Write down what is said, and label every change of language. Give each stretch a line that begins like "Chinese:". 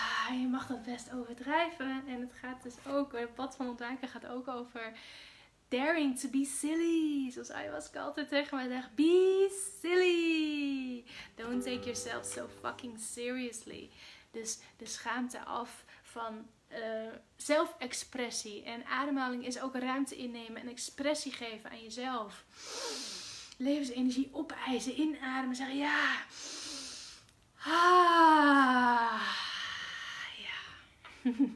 Dutch: Je mag dat best overdrijven. En het gaat dus ook, het pad van ontwaken gaat ook over
English: daring to be silly.
Dutch: Zoals Ayahuasca altijd tegen mij zegt,
English: be silly. Don't take yourself so fucking seriously.
Dutch: Dus de schaamte af van zelfexpressie. En ademhaling is ook ruimte innemen en expressie geven aan jezelf. Levensenergie opeisen, inademen, zeggen ja. Ah, ja.